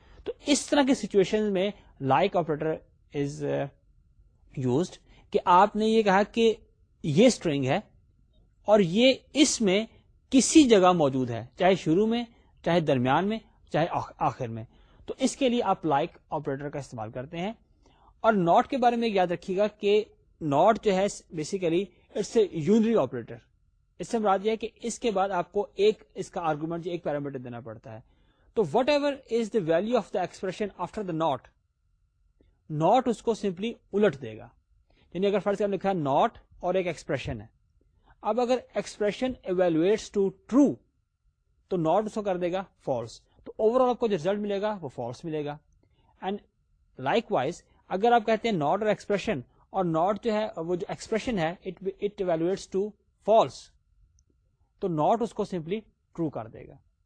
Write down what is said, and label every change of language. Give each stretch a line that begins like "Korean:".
Urdu: تو اس طرح کے سچویشن میں
English: like operator is used
Urdu: کہ آپ نے یہ کہا کہ یہ اسٹرنگ ہے اور یہ اس میں کسی جگہ موجود ہے, چاہے شروع میں, چاہے درمیان میں, چاہے آخر میں. تو اس کے لیے آپ لائک آپریٹر کا استعمال کرتے ہیں. اور ناٹ کے بارے میں یاد رکھیے گا کہ ناٹ جو ہے
English: Basically it's a unary operator.
Urdu: اس سے مراد یہ ہے کہ اس کے بعد آپ کو ایک اس کا آرگومنٹ ایک پیرامیٹر دینا پڑتا ہے.
English: تو whatever is the value of the expression after the not, not
Urdu: اس کو سمپلی الٹ دے گا. یعنی اگر فرض کر لکھا ہے ناٹ اور ایک ایکسپریشن ہے, اب اگر ایکسپریشن
English: evaluates to true
Urdu: تو ناٹ اس کو کر دے گا فالس. تو اوور آل آپ کو جو ریزلٹ ملے گا وہ فالس ملے گا. اینڈ لائک وائز اگر آپ کہتے ہیں ناٹ اور ایکسپریشن اور ناٹ جو ہے وہ جو ایکسپریشن ہے
English: it evaluates to false
Urdu: تو ناٹ اس کو سمپلی ٹرو کر دے گا.